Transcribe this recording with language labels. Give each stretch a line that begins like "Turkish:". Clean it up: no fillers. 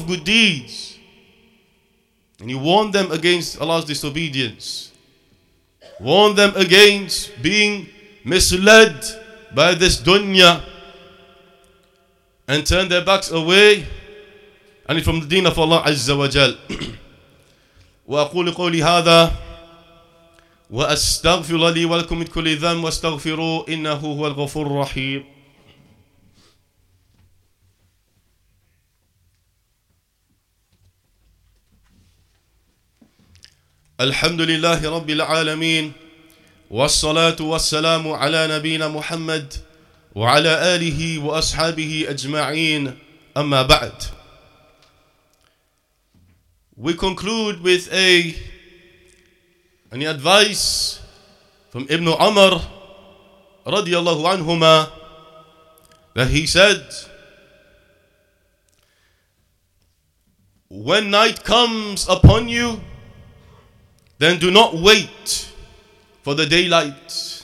English: And he warned them against Allah's disobedience. Warned them against being misled by this dunya and turn their backs away and from the deen of Allah Azza wa Jal.
Arabic: وأقول قولي هذا وأستغفر لي ولكم من كل ذنب واستغفروا إنه هو الغفور الرحيم. الحمد لله رب العالمين والصلاة والسلام على نبينا محمد وعلى آله وأصحابه أجمعين أما بعد.
English: We conclude with an advice from Ibn Umar رضي الله عنهما that he said, when night comes upon you, then do not wait for the daylight.